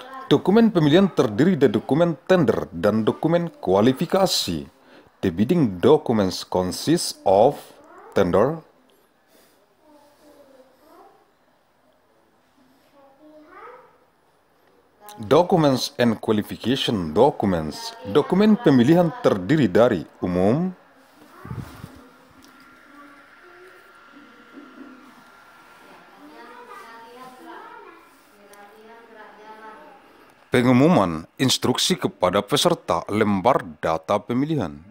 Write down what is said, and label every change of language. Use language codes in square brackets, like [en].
[id] Dokumen pemilihan terdiri dari dokumen tender dan dokumen kualifikasi. [en] The bidding documents consist of tender, documents and qualification documents. [id] Dokumen pemilihan terdiri dari umum, pengumuman, instruksi kepada peserta, lembar data pemilihan.